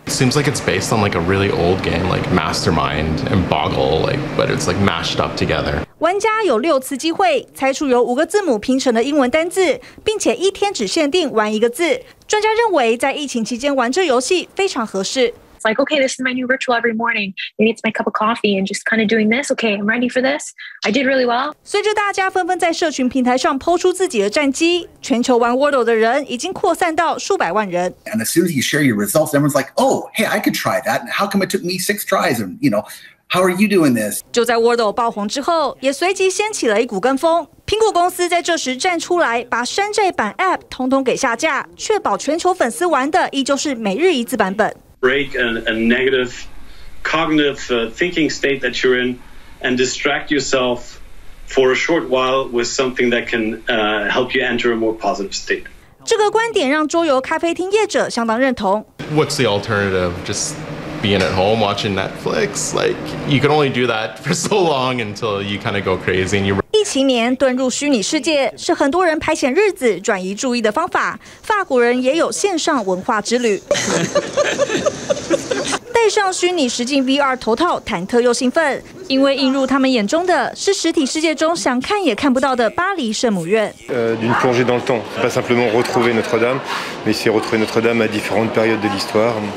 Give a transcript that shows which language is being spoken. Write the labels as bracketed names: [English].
[English] Seems like it's based on like a really old game, like Mastermind and Boggle, like but it's like mashed up together. [Chinese] 玩家有6次机会猜出由5个字母拼成的英文单字，并且一天只限定玩一个字。专家认为，在疫情期间玩这游戏非常合适。 [English] It's like, okay, this is my new ritual every morning. Maybe it's my cup of coffee and just kind of doing this. Okay, I'm ready for this. I did really well. [Chinese] 随着大家纷纷在社群平台上抛出自己的战绩，全球玩 Wordle 的人已经扩散到数百万人。 [English] And as soon as you share your results, everyone's like, oh, hey, I could try that. How come it took me 6 tries? And, you know, how are you doing this? [Chinese] 就在 Wordle 爆红之后，也随即掀起了一股跟风。苹果公司在这时站出来，把山寨版 App 统统给下架，确保全球粉丝玩的依旧是每日一字版本。 [English] Break a negative cognitive thinking state that you're in, and distract yourself for a short while with something that can help you enter a more positive state. [Chinese] 这个观点让桌游咖啡厅业者相当认同。 [English] What's the alternative? Just being at home watching Netflix? Like you can only do that for so long until you kind of go crazy and you. [Chinese] 疫情年遁入虚拟世界是很多人排遣日子、转移注意的方法。法国人也有线上文化之旅。戴上虚拟实境 VR 头套，忐忑又兴奋，因为映入他们眼中的是实体世界中想看也看不到的巴黎圣母院。 [French] D'une plongée dans le temps, pas simplement retrouver Notre-Dame, mais c'est retrouver Notre-Dame à différentes périodes de l'histoire.